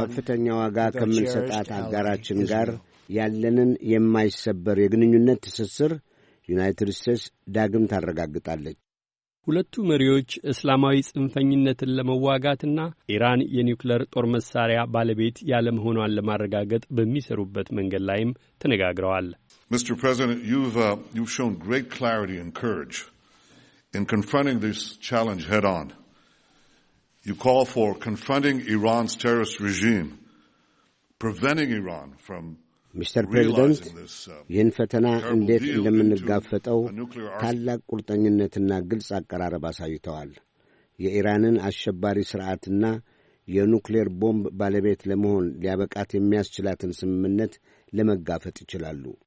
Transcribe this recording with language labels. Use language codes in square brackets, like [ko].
[am] ከፍተኛ ዋጋ ከምንሰጣት አጋራችን ጋር ያለንን የማይሰበር የግንኙነት ትስስር ዩናይትድ ስቴትስ ዳግም ታረጋግጣለች። ሁለቱ መሪዎች እስላማዊ ጽንፈኝነትን ለመዋጋትና ኢራን የኒውክሌር ጦር መሳሪያ ባለቤት ያለመሆኗን ለማረጋገጥ በሚሰሩበት መንገድ ላይም ተነጋግረዋል። [en] Mr. President, you've shown great clarity and courage in confronting this challenge head on. You call for confronting Iran's terrorist regime, preventing Iran from [am] ሚስተር ፕሬዚደንት ይህን ፈተና እንዴት እንደምንጋፈጠው ታላቅ ቁርጠኝነትና ግልጽ አቀራረብ አሳይተዋል። የኢራንን አሸባሪ ሥርዓትና የኑክሌር ቦምብ ባለቤት ለመሆን ሊያበቃት የሚያስችላትን ስምምነት ለመጋፈጥ ይችላሉ።